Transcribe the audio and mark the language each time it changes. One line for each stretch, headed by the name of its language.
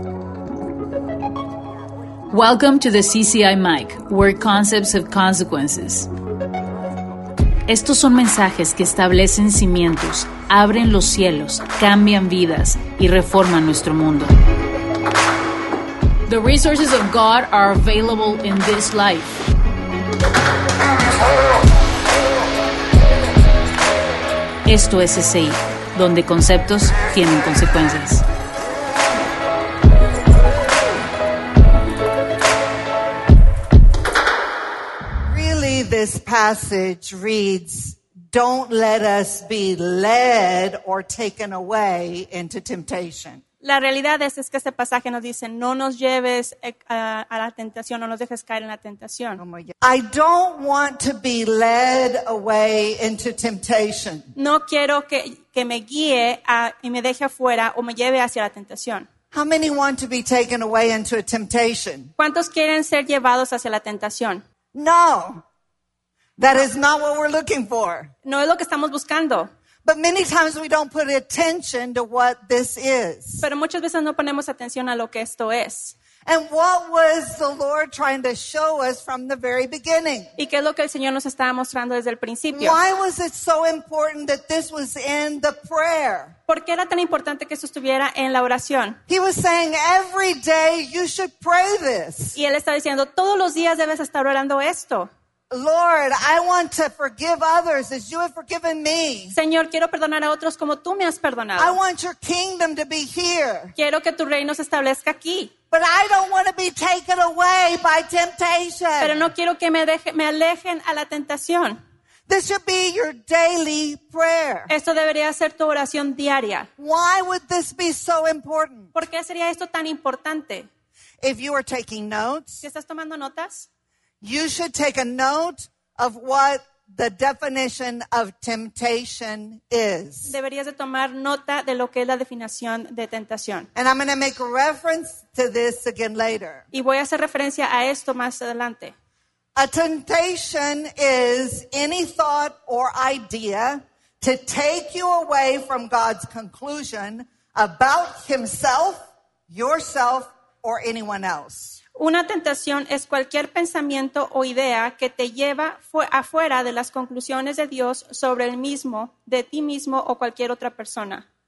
English: Welcome to the CCI Mic, where concepts have consequences.
Spanish: Estos son mensajes que establecen cimientos, abren los cielos, cambian vidas y reforman nuestro mundo.
English: The resources of God are available in this life.
Spanish: Esto es CCI, donde conceptos tienen consecuencias.
English: This passage reads, "Don't let us be led or taken away into temptation."
Spanish: La realidad es que este pasaje nos dice, "No nos lleves a la tentación, no nos dejes caer en la tentación."
English: I don't want to be led away into temptation.
Spanish: No quiero que me guíe y me deje afuera o me lleve hacia la tentación.
English: How many want to be taken away into a temptation?
Spanish: ¿Cuántos quieren ser llevados hacia la tentación?
English: No. That is not what we're looking for.
Spanish: No es lo que estamos buscando.
English: But many times we don't put attention to what this is.
Spanish: Pero muchas veces no ponemos atención a lo que esto es.
English: And what was the Lord trying to show us from the very beginning?
Spanish: ¿Y qué es lo que el Señor nos estaba mostrando desde el principio?
English: Why was it so important that this was in the prayer?
Spanish: ¿Por qué era tan importante que esto estuviera en la oración?
English: He was saying every day you should pray this.
Spanish: Y él estaba diciendo todos los días debes estar orando esto.
English: Lord, I want to forgive others as you have forgiven me.
Spanish: Señor, quiero perdonar a otros como tú me has perdonado.
English: I want your kingdom to be here.
Spanish: Quiero que tu reino se establezca aquí.
English: But I don't want to be taken away by temptation.
Spanish: Pero no quiero que me alejen a la tentación.
English: This should be your daily prayer.
Spanish: Esto debería ser tu oración diaria.
English: Why would this be so important?
Spanish: ¿Por qué sería esto tan importante?
English: If you are taking notes,
Spanish: si estás tomando notas,
English: you should take a note of what the definition of temptation is.
Spanish: Deberías de tomar nota de lo que es la definición de tentación.
English: And I'm going to make reference to this again later.
Spanish: Y voy a hacer referencia a esto más adelante.
English: A temptation is any thought or idea to take you away from God's conclusion about himself, yourself, or anyone else.
Spanish: Una tentación es cualquier pensamiento o idea que te lleva afuera de las conclusiones de Dios sobre el mismo, de ti mismo o cualquier otra persona.